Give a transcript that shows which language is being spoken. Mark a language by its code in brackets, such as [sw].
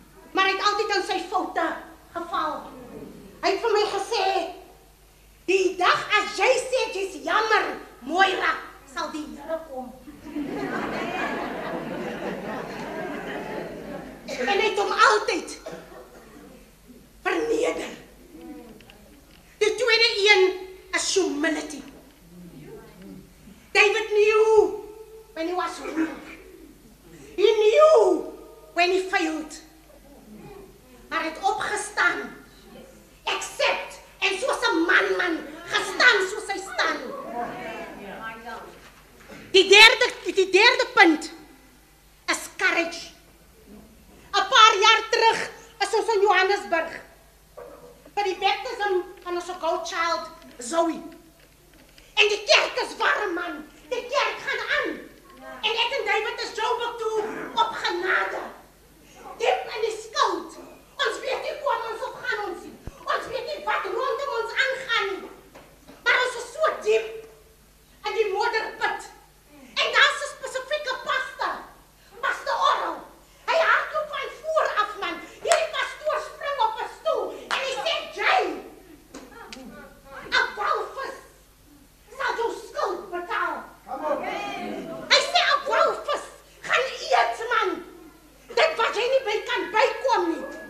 [af] Maar hy het altyd in sy foute geval. Hy het vir my gesê, die dag as jy sê, jy's jammer, Moira, sal die Here kom. En hy het hom altyd verneder. Die tweede een is humility. [en] David knew when he was weak. He knew when he failed. [af] Maar het opgestaan. Accept. En soos 'n man gestaan soos hy staan. Die derde punt is courage. 'N paar jaar terug is ons in Johannesburg. By die baptism van ons [en] girl child, [af] Zoe. En die kerk is warm, man. Die kerk gaan aan. En ek en David is Joburg toe op genade. Diep in die skuld. Ons weet nie hoe ons op gaan ons nie. Ons weet nie wat rondom ons aangaan nie. Maar ons is so diep in die modderpit. En daar is 'n spesifieke pastor. Pastor Oro. Hy hardloop van voor af, man. Hierdie pastoor spring op 'n stoel en hy sê, Jay, 'n walvis sal jou skuld betaal. Hy sê, 'n walvis gaan eet, man. Dit wat jy nie by kan bykom nie.